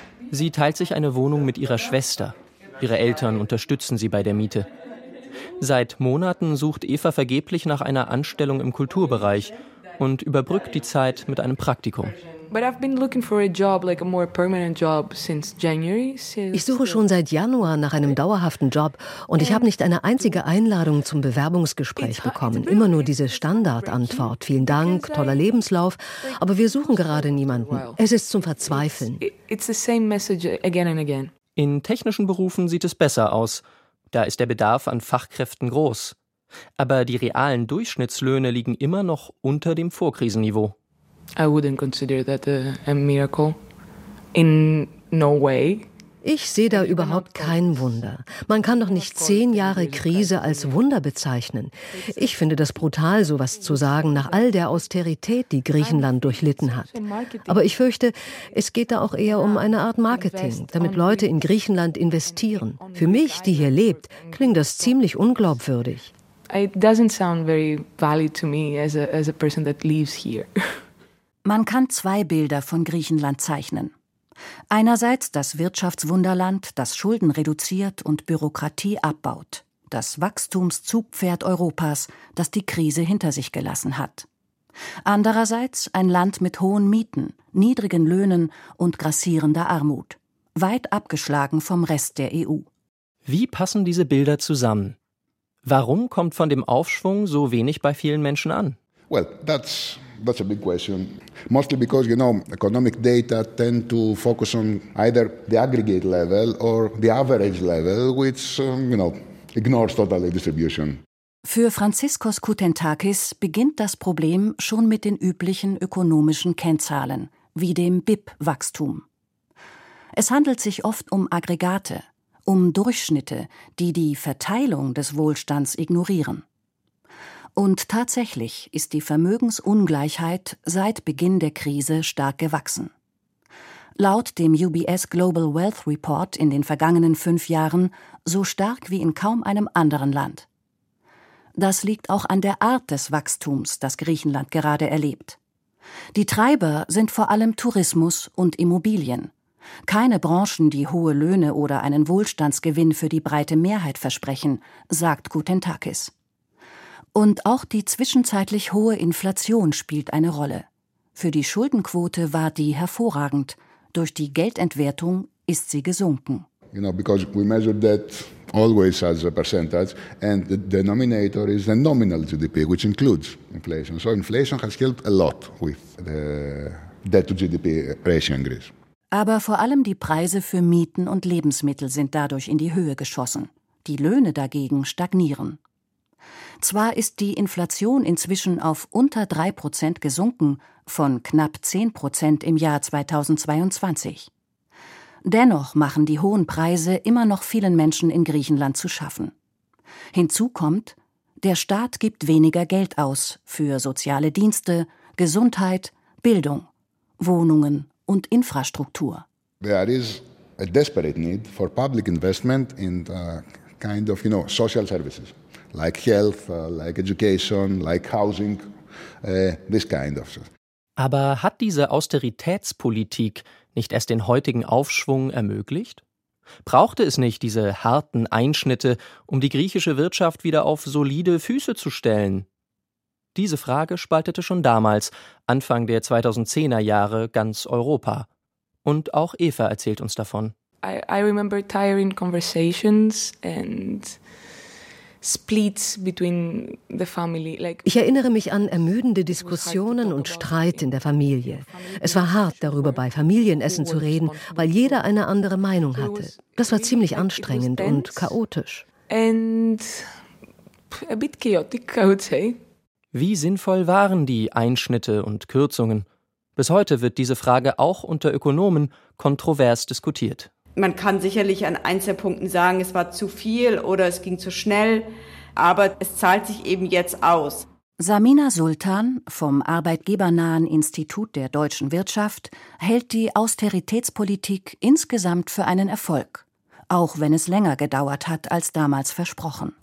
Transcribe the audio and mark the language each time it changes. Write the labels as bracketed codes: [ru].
[de] Sie teilt sich eine Wohnung mit ihrer Schwester. Ihre Eltern unterstützen sie bei der Miete. Seit Monaten sucht Eva vergeblich nach einer Anstellung im Kulturbereich und überbrückt die Zeit mit einem Praktikum. [en] But I've been looking for a job, like a more permanent job, since January. [de] Ich suche schon seit Januar nach einem dauerhaften Job und ich habe nicht eine einzige Einladung zum Bewerbungsgespräch bekommen. Immer nur diese Standardantwort: Vielen Dank, toller Lebenslauf, aber wir suchen gerade niemanden. Es ist zum Verzweifeln. [en] It's the same message again and again. [de] In technischen Berufen sieht es besser aus. Da ist der Bedarf an Fachkräften groß. Aber die realen Durchschnittslöhne liegen immer noch unter dem Vorkrisenniveau. [en] I wouldn't consider that a miracle. In no way. [de] Ich sehe da überhaupt kein Wunder. Man kann doch nicht 10 Jahre Krise als Wunder bezeichnen. Ich finde das brutal, sowas zu sagen, nach all der Austerität, die Griechenland durchlitten hat. Aber ich fürchte, es geht da auch eher um eine Art Marketing, damit Leute in Griechenland investieren. Für mich, die hier lebt, klingt das ziemlich unglaubwürdig. [en] It doesn't sound very valid to me as a person that lives here. [de] Man kann zwei Bilder von Griechenland zeichnen. Einerseits das Wirtschaftswunderland, das Schulden reduziert und Bürokratie abbaut. Das Wachstumszugpferd Europas, das die Krise hinter sich gelassen hat. Andererseits ein Land mit hohen Mieten, niedrigen Löhnen und grassierender Armut. Weit abgeschlagen vom Rest der EU. Wie passen diese Bilder zusammen? Warum kommt von dem Aufschwung so wenig bei vielen Menschen an? [en] Well, that's That's a big question. Mostly because, you know, economic data tend to focus on either the aggregate level or the average level, which, you know, ignores totally distribution. [de] Für Franziskos Koutentakis beginnt das Problem schon mit den üblichen ökonomischen Kennzahlen, wie dem BIP-Wachstum. Es handelt sich oft um Aggregate, um Durchschnitte, die die Verteilung des Wohlstands ignorieren. Und tatsächlich ist die Vermögensungleichheit seit Beginn der Krise stark gewachsen. Laut dem UBS Global Wealth Report in den vergangenen 5 Jahren so stark wie in kaum einem anderen Land. Das liegt auch an der Art des Wachstums, das Griechenland gerade erlebt. Die Treiber sind vor allem Tourismus und Immobilien. Keine Branchen, die hohe Löhne oder einen Wohlstandsgewinn für die breite Mehrheit versprechen, sagt Koutentakis. Und auch die zwischenzeitlich hohe Inflation spielt eine Rolle. Für die Schuldenquote war die hervorragend. Durch die Geldentwertung ist sie gesunken. [en] You know, because we measure that always as a percentage, and the denominator is the nominal GDP, which includes inflation. So inflation has helped a lot with the debt-to-GDP ratio in Greece. [de] Aber vor allem die Preise für Mieten und Lebensmittel sind dadurch in die Höhe geschossen. Die Löhne dagegen stagnieren. Zwar ist die Inflation inzwischen auf unter 3% gesunken, von knapp 10% im Jahr 2022. Dennoch machen die hohen Preise immer noch vielen Menschen in Griechenland zu schaffen. Hinzu kommt, der Staat gibt weniger Geld aus für soziale Dienste, Gesundheit, Bildung, Wohnungen und Infrastruktur. [en] There is a desperate need for public investment in kind of, you know, social services. Like health, like education, like housing, this kind of stuff. [de] Aber hat diese Austeritätspolitik nicht erst den heutigen Aufschwung ermöglicht? Brauchte es nicht diese harten Einschnitte, um die griechische Wirtschaft wieder auf solide Füße zu stellen? Diese Frage spaltete schon damals, Anfang der 2010er Jahre, ganz Europa. Und auch Eva erzählt uns davon. [en] I remember tiring conversations and splits between the family. [de] Ich erinnere mich an ermüdende Diskussionen und Streit in der Familie. Es war hart, darüber bei Familienessen zu reden, weil jeder eine andere Meinung hatte. Das war ziemlich anstrengend und chaotisch. [en] And a bit chaotic, I would say. [de] Wie sinnvoll waren die Einschnitte und Kürzungen? Bis heute wird diese Frage auch unter Ökonomen kontrovers diskutiert. Man kann sicherlich an Einzelpunkten sagen, es war zu viel oder es ging zu schnell, aber es zahlt sich eben jetzt aus. Samina Sultan vom arbeitgebernahen Institut der deutschen Wirtschaft hält die Austeritätspolitik insgesamt für einen Erfolg, auch wenn es länger gedauert hat als damals versprochen.